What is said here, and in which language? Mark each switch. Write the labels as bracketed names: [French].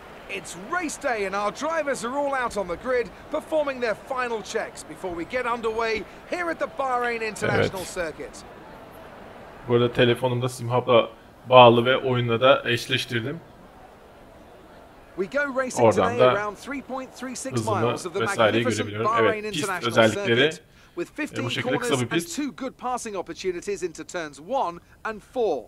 [English] It's race day and our drivers are all out on the grid performing their final checks before we get underway here at the Bahrain International Circuit. [Turkish] Bu arada telefonumda SimHub'la bağlı ve oyunla da eşleştirdim. [English] We go racing today around 3.36 miles of the magnificent Bahrain International Circuit with 15 corners and two good passing opportunities into turns 1 and 4.